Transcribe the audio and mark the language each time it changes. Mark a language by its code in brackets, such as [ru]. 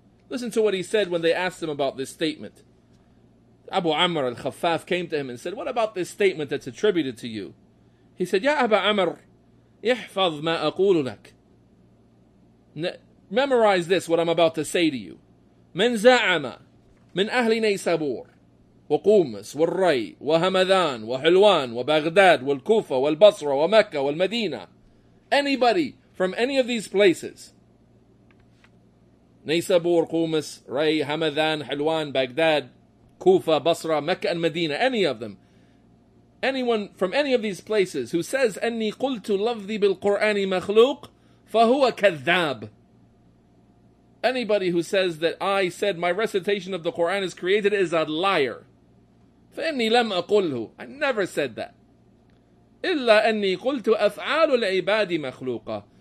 [en] Listen to what he said when they asked him about this statement. Abu Amr al-Khaffaf came to him and said, "What about this statement that's attributed to you?" He said, [ar] "Ya Abu Amr, ihfaz ma aqulu lak. [en] Memorize this, what I'm about to say to you. [ar] من زعم من أهل نيسابور وقومس والري وهمذان وحلوان وبغداد والكوفة والبصرة ومكة والمدينة. [en] Anybody from any of these places. [ar] نيسابور, قومس, ري, همذان, حلوان, بغداد, كوفة, بصرة, مكة and مدينة. [en] Any of them. Anyone from any of these places who says [ar] أني قلت لفظي بالقرآن مخلوق فَهُوَ كَذَّاب. [en] Anybody who says that I said my recitation of the Qur'an is created is a liar. [ar] فإني لم أقوله. [en] I never said that. [ar] إِلَّا أَنِّي قُلْتُ أَفْعَالُ الْعِبَادِ مَخْلُوقًا.